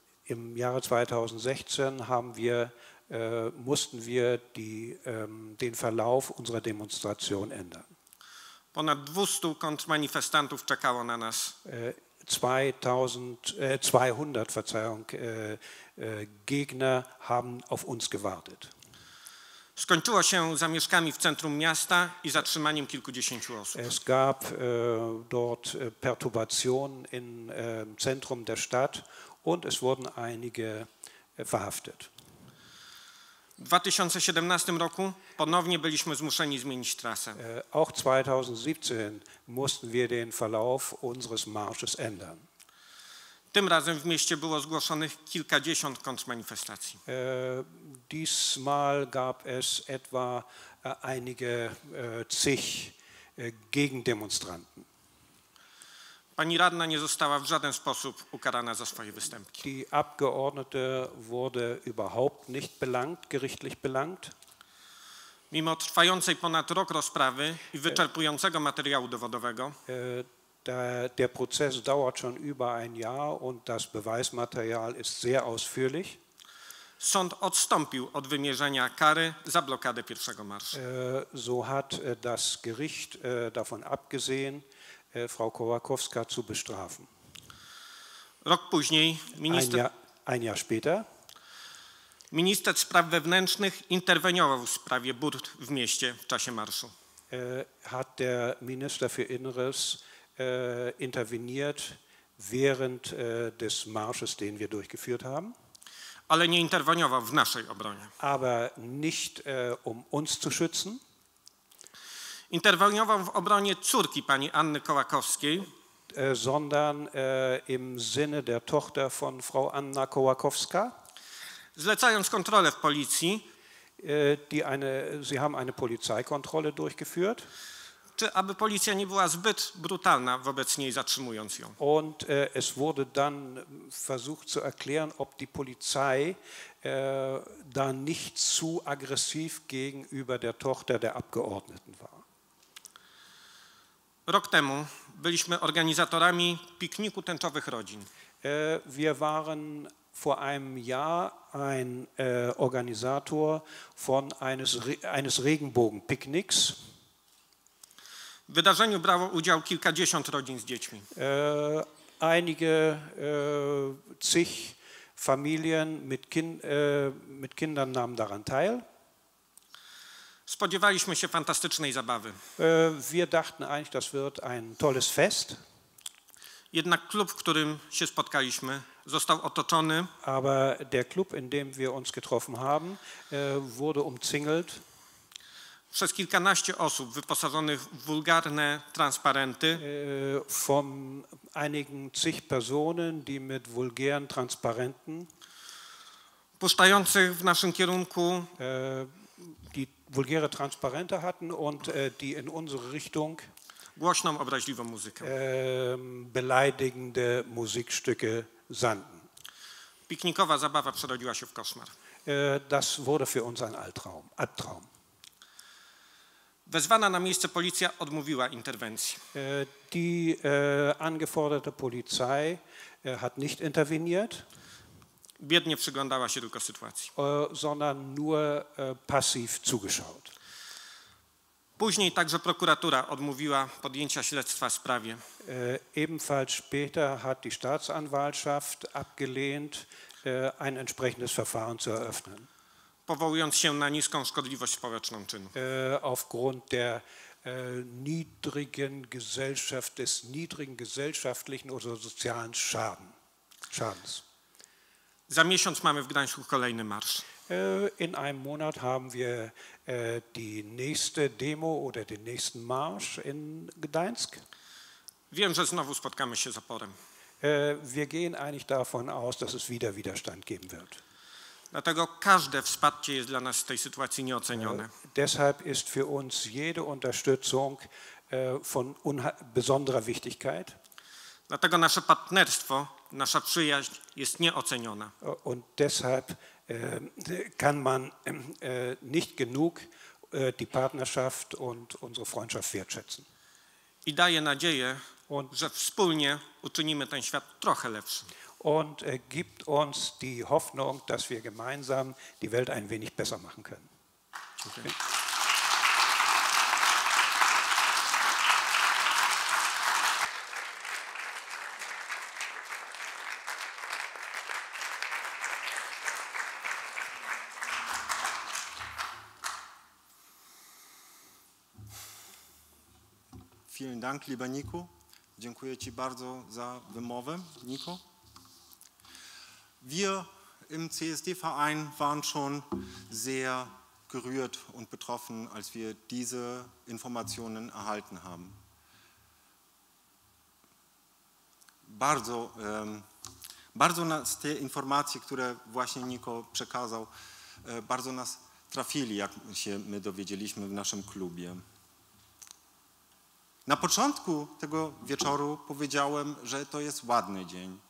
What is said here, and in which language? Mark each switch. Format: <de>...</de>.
<de>Im Jahre 2016 haben wir mussten wir die, den Verlauf unserer Demonstration ändern.</de> <pl>Ponad 200 Kontrmanifestantów czekało na nas.</pl> <de>200 Gegner haben auf uns gewartet.</de> <pl>Skończyło się zamieszkami w centrum miasta i zatrzymaniem kilkudziesięciu osób.</pl> <de>Es gab dort Perturbationen im Zentrum der Stadt und es wurden einige verhaftet.</de> <pl>W 2017 roku ponownie byliśmy zmuszeni zmienić trasę.</pl> <de>Auch 2017 mussten wir den Verlauf unseres Marsches ändern.</de> <pl>Tym razem w mieście było zgłoszonych kilkadziesiąt kontrmanifestacji.</pl> <de>Diesmal gab es etwa einige zig Gegendemonstranten.</de> <pl>Pani radna nie została w żaden sposób ukarana za swoje występki.</pl> <de>Die Abgeordnete wurde überhaupt nicht belangt, gerichtlich belangt.</de> <pl>Mimo trwającej ponad rok rozprawy i wyczerpującego materiału dowodowego,</pl> <de>der Prozess dauert schon über ein Jahr und das Beweismaterial ist sehr ausführlich.</de> <pl>Sąd odstąpił od wymierzenia kary za blokadę pierwszego marszu.</pl> <de>So hat das Gericht davon abgesehen, Frau Kołakowska zu bestrafen.</de> <pl>Rok później minister,</pl> <de>ein Jahr später,</de> <pl>minister spraw wewnętrznych interweniował w sprawie burt w mieście w czasie marszu.</pl> <de>Hat der Minister für Inneres interveniert während des Marsches, den wir durchgeführt haben.</de> <pl>ale nie interweniował w naszej obronie.</pl> <de>Aber nicht um uns zu schützen.</de> <pl>Interweniował w obronie córki pani Anny Kołakowskiej,</pl> <de>sondern im Sinne der Tochter von Frau Anna Kołakowska,</de> <pl>zlecając kontrolę w policji,</pl> <de>die eine, sie haben eine Polizeikontrolle durchgeführt,</de> <pl>czy aby policja nie była zbyt brutalna wobec niej, zatrzymując ją.</pl> <de>Und es wurde dann versucht zu erklären, ob die Polizei da nicht zu aggressiv gegenüber der Tochter der Abgeordneten war.</de> <pl>Rok temu byliśmy organizatorami pikniku tęczowych rodzin.</pl> <de>Wir waren vor einem Jahr ein Organisator von eines Regenbogenpicknicks.</de> <pl>W wydarzeniu brało udział kilkadziesiąt rodzin z dziećmi.</pl> <de>Einige zig Familien mit Kindern nahmen daran teil.</de> <pl>Spodziewaliśmy się fantastycznej zabawy.</pl> <de>Wir dachten eigentlich, das wird ein tolles Fest.</de> <pl>Jednak klub, w którym się spotkaliśmy, został otoczony.</pl> <de>Aber der Club, in dem wir uns getroffen haben, wurde umzingelt.</de> <pl>Przez kilkanaście osób wyposażonych w wulgarne transparenty.</pl> <de>Von einigen zig Personen, die mit vulgären Transparenten.</de> <pl>Puszczających w naszym kierunku.</pl> <de>Die vulgäre Transparente hatten und die in unsere Richtung.</de> <pl>Głośną, obraźliwą muzykę.</pl> <de>Beleidigende Musikstücke sandten.</de> <pl>Piknikowa zabawa przerodziła się w koszmar.</pl> <de>Das wurde für uns ein Albtraum.</de> <pl>Wezwana na miejsce policja odmówiła interwencji.</pl> <de>Die angeforderte Polizei hat nicht interveniert.</de> <pl>Biednie przyglądała się tylko sytuacji.</pl> <de>Sondern nur passiv zugeschaut.</de> <pl>Później także prokuratura odmówiła podjęcia śledztwa w sprawie.</pl> <de>Ebenfalls später hat die Staatsanwaltschaft abgelehnt, ein entsprechendes Verfahren zu eröffnen.</de> <pl>Powołując się na niską szkodliwość społeczną czynu.</pl> <de>Aufgrund der niedrigen Gesellschaft, des niedrigen gesellschaftlichen oder sozialen Schadens.</de> <pl>Za miesiąc mamy w Gdańsku kolejny marsz.</pl> <de>In einem Monat haben wir die nächste Demo oder den nächsten Marsch in Gdańsk.</de> <pl>Wiem, że znowu spotkamy się z oporem.</pl> <de>Wir gehen eigentlich davon aus, dass es wieder Widerstand geben wird.</de> <pl>Dlatego każde wsparcie jest dla nas w tej sytuacji nieocenione.</pl> <de>Deshalb ist für uns jede Unterstützung von besonderer Wichtigkeit.</de> <pl>Dlatego nasze partnerstwo, nasza przyjaźń jest nieoceniona.</pl> <de>Und deshalb kann man nicht genug die Partnerschaft und unsere Freundschaft wertschätzen.</de> <pl>I daje nadzieję, że wspólnie uczynimy ten świat trochę lepszym.</pl> <de>Und gibt uns die Hoffnung, dass wir gemeinsam die Welt ein wenig besser machen können. Okay. Vielen Dank, lieber Nico.</de> <pl>Dziękuję Ci bardzo za wymowę, Nico.</pl> <de>Wir im CSD-Verein waren schon sehr gerührt und betroffen, als wir diese Informationen erhalten haben.</de> <pl>Bardzo nas te informacje, które właśnie Nico przekazał, bardzo nas trafili, jak się my dowiedzieliśmy w naszym klubie. Na początku tego wieczoru powiedziałem, że to jest ładny dzień.</pl>